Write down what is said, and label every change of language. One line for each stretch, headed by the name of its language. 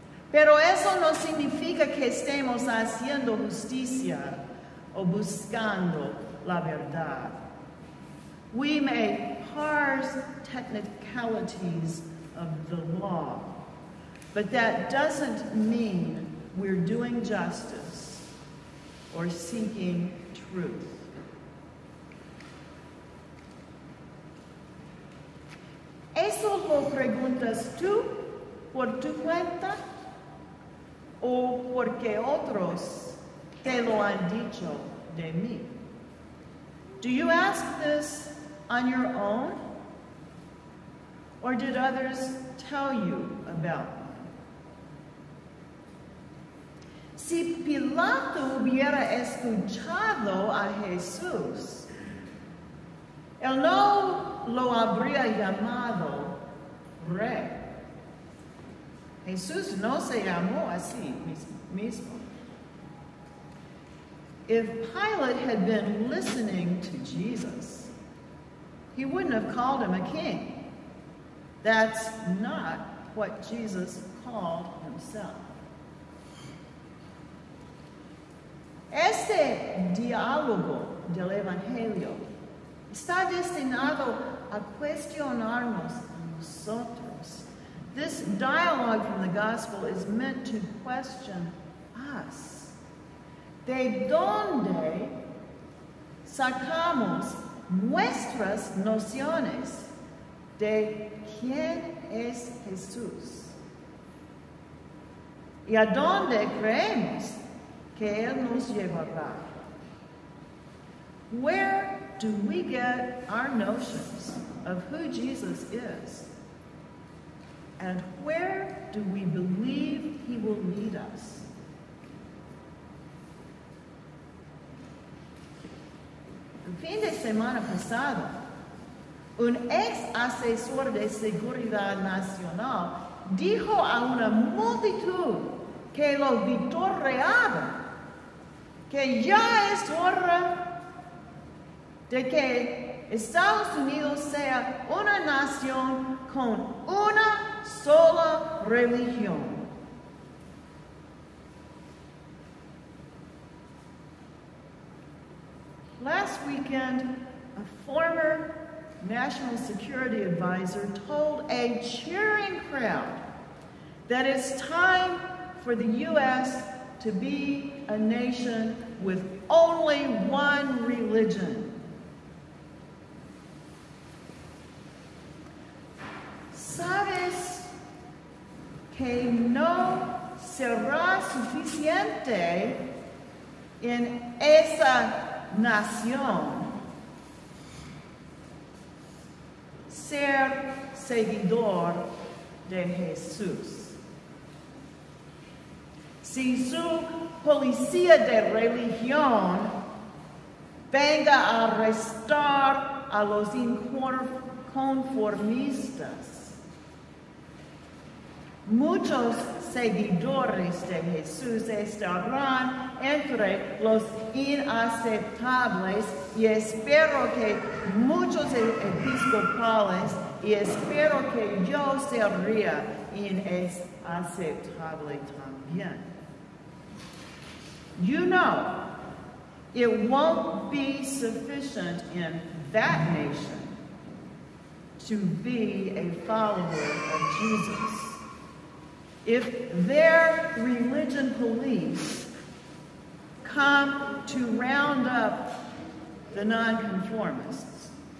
Spanish: Pero eso no significa que estemos haciendo justicia o buscando la verdad.
English: We may parse technicalities of the law, but that doesn't mean we're doing justice or seeking truth.
Spanish: ¿Eso lo preguntas tú por tu cuenta o porque otros te lo han dicho de mí?
English: Do you ask this on your own or did others tell you about me?
Spanish: Si Pilato hubiera escuchado a Jesús, él no lo habría llamado rey. Jesús no se llamó así mismo.
English: If Pilate had been listening to Jesus, he wouldn't have called him a king. That's not what Jesus called himself.
Spanish: Este diálogo del Evangelio. Está destinado a cuestionarnos a nosotros.
English: This dialogue from the gospel is meant to question us.
Spanish: ¿De dónde sacamos nuestras nociones de quién es Jesús? ¿Y a dónde creemos que Él nos llevará?
English: Where do we get our notions of who Jesus is? And where do we believe He will lead us?
Spanish: El fin de semana pasado, un ex asesor de seguridad nacional dijo a una multitud que lo vitoreaba que ya es hora de que Estados Unidos sea una nación con una sola religión.
English: Last weekend, a former national security advisor told a cheering crowd that it's time for the U.S. to be a nation with only one religion.
Spanish: ¿Sabes que no será suficiente en esa nación ser seguidor de Jesús? Si su policía de religión venga a arrestar a los inconformistas, muchos seguidores de Jesús estarán entre los inaceptables, y espero que muchos episcopales, y espero que yo sería inaceptable también.
English: You know, it won't be sufficient in that nation to be a follower of Jesus if their religion police come to round up the nonconformists.